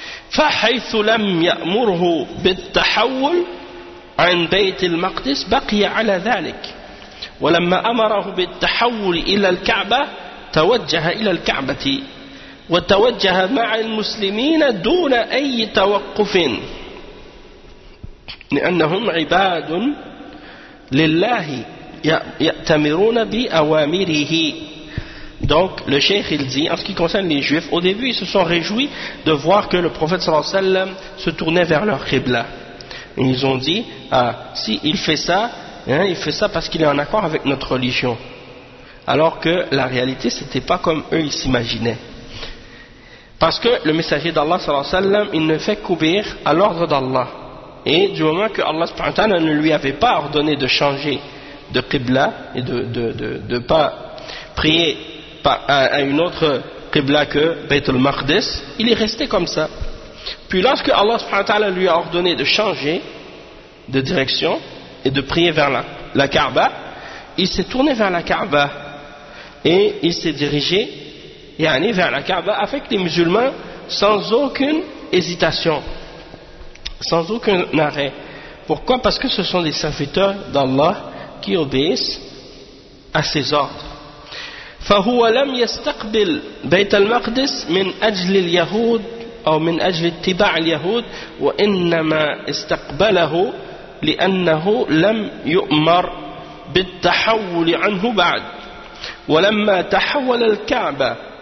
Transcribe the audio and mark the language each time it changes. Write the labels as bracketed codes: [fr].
[ar] فحيث لم يأمره بالتحول عن بيت المقدس بقي على ذلك ولما أمره بالتحول إلى الكعبة توجه إلى الكعبة وتوجه مع المسلمين دون أي توقف لأنهم عباد لله يأتمرون بأوامره. [fr] Donc le cheikh il dit, en ce qui concerne les juifs, au début ils se sont réjouis de voir que le prophète sallallahu alayhi wa sallam se tournait vers leur Qibla. Ils ont dit, ah, si il fait ça, hein, il fait ça parce qu'il est en accord avec notre religion. Alors que la réalité c'était pas comme eux ils s'imaginaient. Parce que le messager d'Allah sallallahu alayhi wa sallam, il ne fait qu'obéir à l'ordre d'Allah. Et du moment que Allah subhanahu wa ta'ala ne lui avait pas ordonné de changer de Qibla et de pas prier à une autre Qibla que Bayt al-Maqdis, il est resté comme ça. Puis lorsque Allah subhanahu wa ta'ala lui a ordonné de changer de direction et de prier vers la Kaaba, il s'est tourné vers la Kaaba et il s'est dirigé et allé vers la Kaaba avec les musulmans sans aucune hésitation. Sans aucun arrêt. Pourquoi? Parce que ce sont des serviteurs d'Allah qui obéissent à ses ordres. [ar] فَهُوَ لَمْ يَسْتَقْبِلْ بَيْتَ الْمَقْدِسِ مِنْ أَجْلِ الْيَهُودِ او مِنْ أَجْلِ اتِّبَاعِ الْيَهُودِ وَإِنَّمَا اسْتَقْبَلَهُ لِأَنَّهُ لَمْ يُؤْمَرْ بِالتَّحَوُّلِ عَنْهُ بَعْدْ وَلَمَّا تَحَوَّلَ الْكَعْبَةِ